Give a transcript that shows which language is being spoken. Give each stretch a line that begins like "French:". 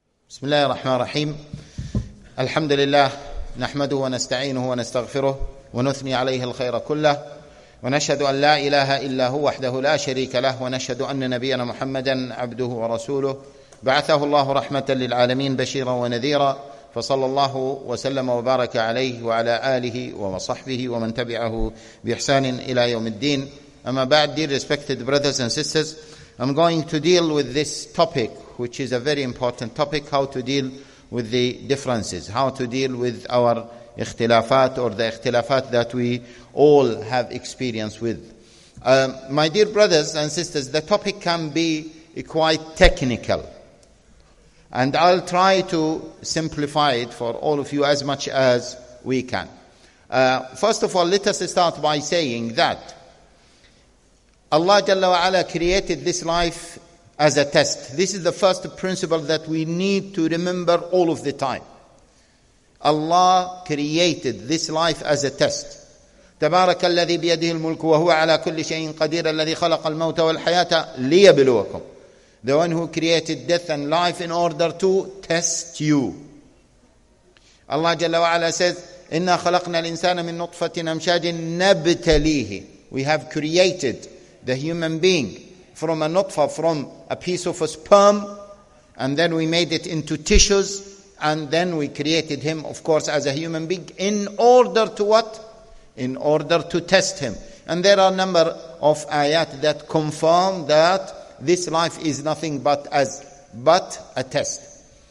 Arabic: بسم الله الرحمن الرحيم الحمد لله نحمده ونستعينه ونستغفره ونثني عليه الخير كله ونشهد أن لا إله إلا هو وحده لا شريك له ونشهد أن نبينا محمدا عبده ورسوله بعثه الله رحمة للعالمين بشيرا ونذيرا فصلى الله وسلم وبارك عليه وعلى آله وصحبه ومن تبعه بإحسان إلى يوم الدين. أما بعد,
English: dear respected brothers and sisters, I'm going to deal with this topic, which is a very important topic, how to deal with the differences, how to deal with our ikhtilafat or the ikhtilafat that we all have experience with. My dear brothers and sisters, the topic can be quite technical, and I'll try to simplify it for all of you as much as we can. First of all, let us start by saying that Allah Jalla wa Ala created this life as a test. This is the first principle that we need to remember all of the time. Allah created this life as a test.
Arabic: تبارك الذي بيده الملك وهو على كل شيء قدير الذي خلق الموت والحياة ليبلوكم.
English: The one who created death and life in order to test you. Allah Jalla wa Ala says,
Arabic: إنا خلقنا الإنسان من نطفة أمشاج نبتليه.
English: We have created the human being from a nutfa, from a piece of a sperm, and then we made it into tissues, and then we created him, of course, as a human being, in order to what? In order to test him. And there are a number of ayat that confirm that this life is nothing but a test.